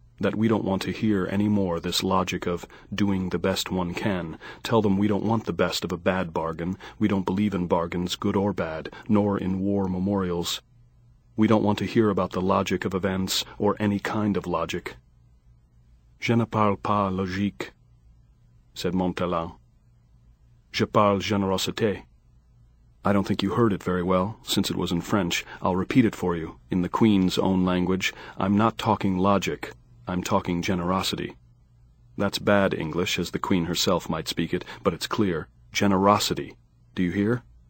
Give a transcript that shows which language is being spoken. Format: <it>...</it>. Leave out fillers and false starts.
<en>That we don't want to hear any more this logic of doing the best one can. Tell them we don't want the best of a bad bargain. We don't believe in bargains, good or bad, nor in war memorials. We don't want to hear about the logic of events or any kind of logic.</en> <fr>Je ne parle pas logique,</fr> <en>said Montalin.</en> <fr>Je parle générosité.</fr> <en>I don't think you heard it very well, since it was in French. I'll repeat it for you, in the Queen's own language. I'm not talking logic. I'm talking generosity. That's bad English, as the Queen herself might speak it, but it's clear. Generosity. Do you hear?</en>